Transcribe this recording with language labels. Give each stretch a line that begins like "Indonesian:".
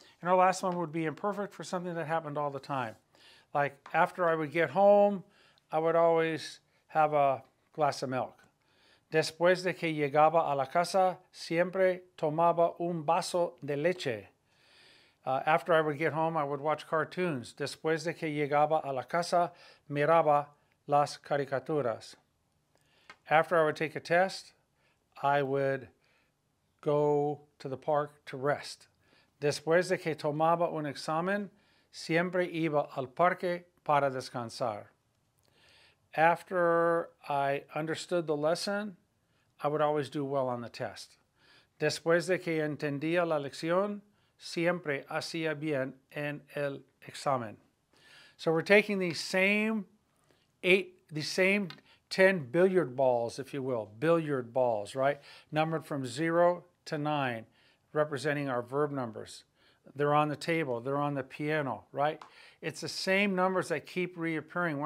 English: And our last one would be imperfect for something that happened all the time. Like, after I would get home, I would always have a glass of milk.
Spanish: Después de que llegaba a la casa, siempre tomaba un vaso de leche.
English: After I would get home, I would watch cartoons.
Spanish: Después de que llegaba a la casa, miraba las caricaturas.
English: After I would take a test, I would go to the park to rest.
Spanish: Después de que tomaba un examen, siempre iba al parque para descansar.
English: After I understood the lesson, I would always do well on the test.
Spanish: Después de que entendía la lección, siempre hacía bien en el examen.
English: So we're taking these same 10 billiard balls, if you will, billiard balls, right? Numbered from 0 to 9, representing our verb numbers. They're on the table, they're on the piano, right? It's the same numbers that keep reappearing.